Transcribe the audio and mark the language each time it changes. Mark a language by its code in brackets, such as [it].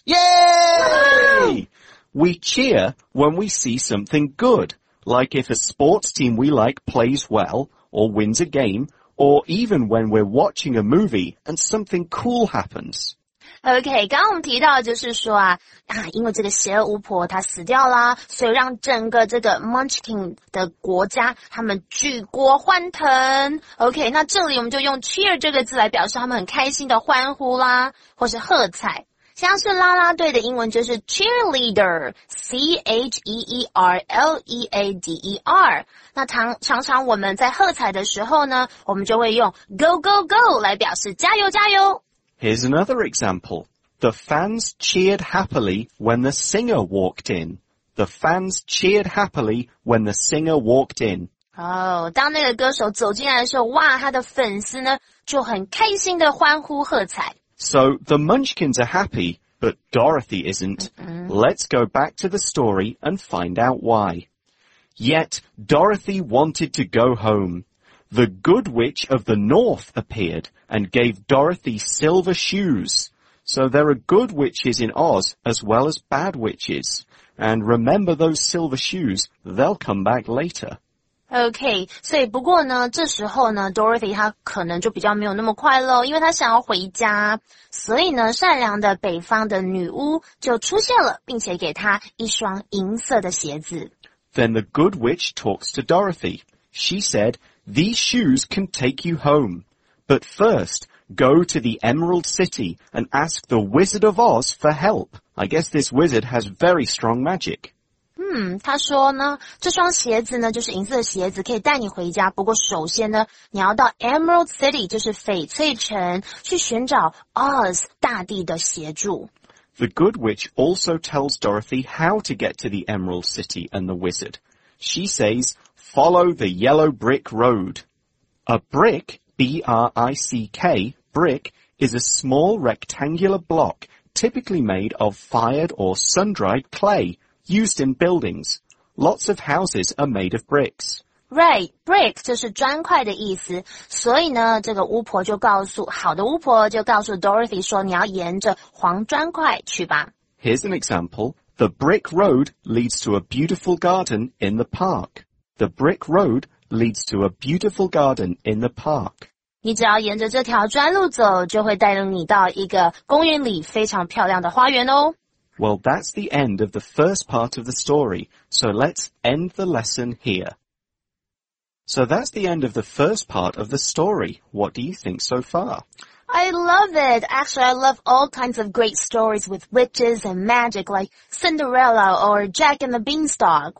[en] Yay! We cheer when we see something good, like if a sports team we like plays well, or wins a game, or even when we're watching a movie and something cool happens. [zh] OK, 刚刚我们提到就是说 因为这个邪恶巫婆她死掉啦，所以让整个这个 Munchkin 的国家他们举国欢腾。 OK, 那这里我们就用 cheer 这个字来表示他们很开心的欢呼啦，或是喝彩。像是啦啦队的英文就是 cheerleader, C-H-E-E-R-L-E-A-D-E-R。那常常我们在喝彩的时候呢，我们就会用 [en] go, go, go [zh] 来表示加油加油。 [en] Here's another example. The fans cheered happily when the singer walked in. The fans cheered happily when the singer walked in. [zh] 哦，当那个歌手走进来的时候，哇，他的粉丝呢就很开心的欢呼喝彩。 [en] So the Munchkins are happy, but Dorothy isn't. Let's go back to the story and find out why. Yet Dorothy wanted to go home. The Good Witch of the North appeared and gave Dorothy silver shoes. So there are good witches in Oz as well as bad witches. And remember those silver shoes, they'll come back later. [zh] Okay, 所以不过呢这时候呢 Dorothy 她可能就比较没有那么快乐因为她想要回家。所以呢善良的北方的女巫就出现了并且给她一双银色的鞋子。 [en] Then the good witch talks to Dorothy. She said, these shoes can take you home. But first, go to the Emerald City and ask the Wizard of Oz for help. I guess this wizard has very strong magic. [zh] 他说呢这双鞋子呢就是银色鞋子可以带你回家不过首先呢你要到 Emerald City 就是翡翠城去寻找 Oz 大地的协助 [en] The Good Witch also tells Dorothy how to get to the Emerald City and the Wizard She says follow the yellow brick road A brick B-R-I-C-K brick is a small rectangular block typically made of fired or sun-dried clayused in buildings. Lots of houses are made of bricks. [zh] Right, brick 就是砖块的意思。所以呢这个巫婆就告诉好的巫婆就告诉 Dorothy 说你要沿着黄砖块去吧。 [en] Here's an example. The brick road leads to a beautiful garden in the park. The brick road leads to a beautiful garden in the park. [zh] 你只要沿着这条砖路走就会带领你到一个公园里非常漂亮的花园哦。 [en] Well, that's the end of the first part of the story, so let's end the lesson here. So that's the end of the first part of the story. What do you think so far? I love it. Actually, I love all kinds of great stories with witches and magic, like Cinderella or Jack and the Beanstalk.